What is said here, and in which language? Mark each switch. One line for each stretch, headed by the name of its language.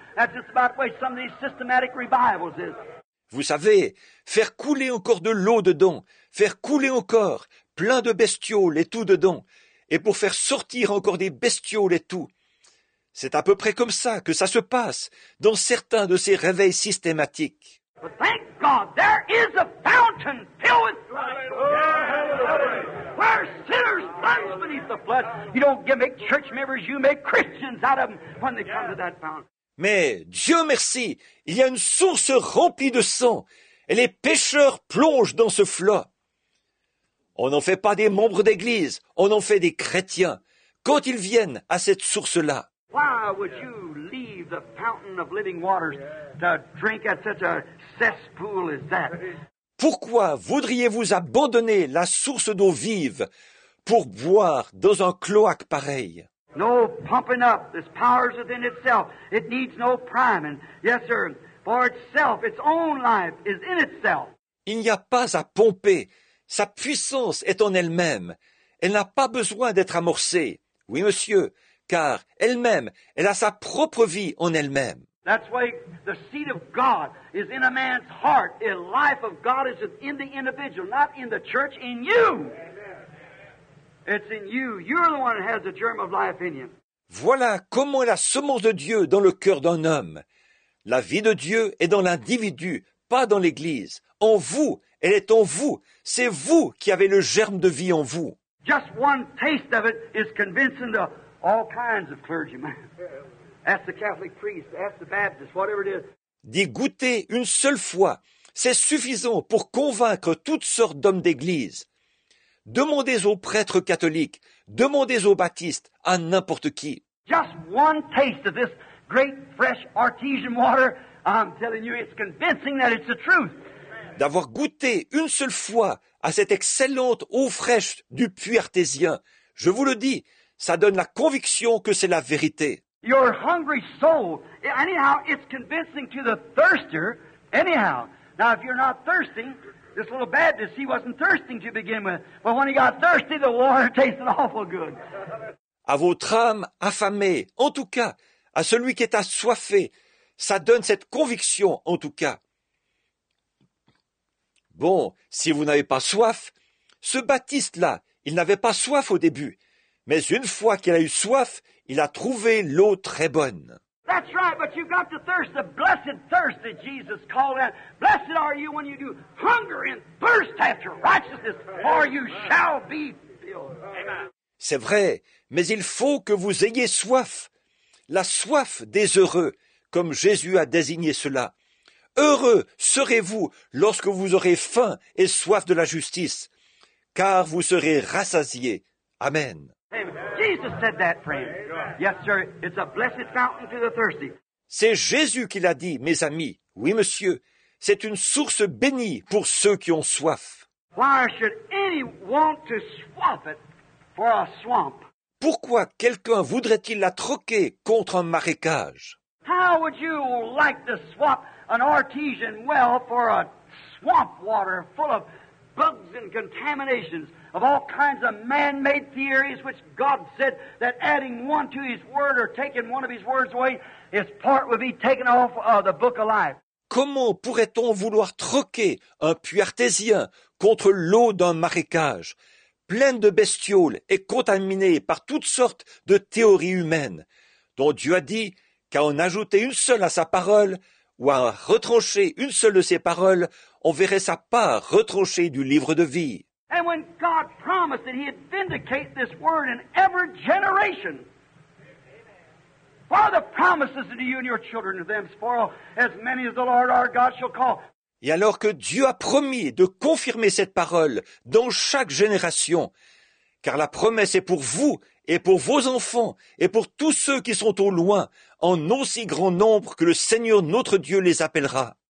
English: That's just about the way some of these systematic revivals is.
French: Vous savez, faire couler encore de l'eau dedans, faire couler encore plein de bestioles et tout dedans, et pour faire sortir encore des bestioles et tout. C'est à peu près comme ça que ça se passe dans certains de ces réveils systématiques.
English: But thank God, there is a fountain filled with blood. Where sinners plunge beneath the flood. You don't make church members, you make Christians out of them when they come to that fountain.
French: Mais Dieu merci, il y a une source remplie de sang et les pécheurs plongent dans ce flot. On n'en fait pas des membres d'église, on en fait des chrétiens. Quand ils viennent à cette source-là,
English: why would you leave the fountain of living waters to drink at such a cesspool as that?
French: Pourquoi voudriez-vous abandonner la source d'eau vive pour boire dans un cloaque pareil?
English: No pumping up. This power is within itself. It needs no priming. Yes, sir. For itself, its own life is in itself.
French: Il n'y a pas à pomper. Sa puissance est en elle-même. Elle n'a pas besoin d'être amorcée. Oui, monsieur, car elle-même, elle a sa propre vie en elle-même.
English: That's why the seed of God is in a man's heart. The life of God is in the individual, not in the church, in you. It's in you. You're the one who has the germ of life in you.
French: Voilà comment la semence de Dieu dans le cœur d'un homme. La vie de Dieu est dans l'individu, pas dans l'église. En vous, elle est en vous. C'est vous qui avez le germe de vie en vous.
English: Just one taste of it is convincing to all kinds of clergymen. Ask the Catholic priest, ask the Baptist, whatever it is.
French: D'y goûter une seule fois, c'est suffisant pour convaincre toutes sortes d'hommes d'église. Demandez aux prêtres catholiques, demandez aux baptistes, à n'importe qui.
English: Just one taste of this great fresh artesian water, I'm telling you, it's convincing that it's the truth.
French: D'avoir goûté une seule fois à cette excellente eau fraîche du puits artésien, je vous le dis, ça donne la conviction que c'est la vérité.
English: Your hungry soul, anyhow, it's convincing to the thirster, anyhow. Now, if you're not thirsting, this little Baptist, he wasn't thirsting to begin with. But when he got thirsty, the water tasted awful good.
French: À votre âme affamée, en tout cas, à celui qui est assoiffé, ça donne cette conviction, en tout cas. Bon, si vous n'avez pas soif, ce Baptiste-là, il n'avait pas soif au début. Mais une fois qu'il a eu soif, il a trouvé l'eau très bonne.
English: That's right, but you've got the thirst, the blessed thirst that Jesus called out. Blessed are you when you do hunger and thirst after righteousness, for you shall be filled.
French: C'est vrai, mais il faut que vous ayez soif. La soif des heureux, comme Jésus a désigné cela. Heureux serez-vous lorsque vous aurez faim et soif de la justice, car vous serez rassasiés.
English: Amen. Jesus said that, friend. Yes, sir. It's a blessed fountain to the thirsty.
French: C'est Jésus qui l'a dit, mes amis. Oui, monsieur. C'est une source bénie pour ceux qui ont soif.
English: Why should any want to swap it for a swamp?
French: Pourquoi quelqu'un voudrait-il la troquer contre un marécage?
English: How would you like to swap an artesian well for a swamp water full of bugs and contaminations? Of all kinds of man-made theories, which God said that adding one to His word or taking one of His words away, its part would be taken off of the book of life.
French: Comment pourrait-on vouloir troquer un puits artésien contre l'eau d'un marécage, pleine de bestioles et contaminée par toutes sortes de théories humaines, dont Dieu a dit qu'à en ajouter une seule à sa parole ou à retrancher une seule de ses paroles, on verrait sa part retranchée du livre de vie.
English: And when God promised that He'd vindicate this word in every generation, for the promises unto you and your children to them, for as many as the Lord our God shall call.
French: Et alors que Dieu a promis de confirmer cette parole dans chaque génération, car la promesse est pour vous et pour vos enfants et pour tous ceux qui sont au loin, en aussi grand nombre que le Seigneur notre Dieu les appellera.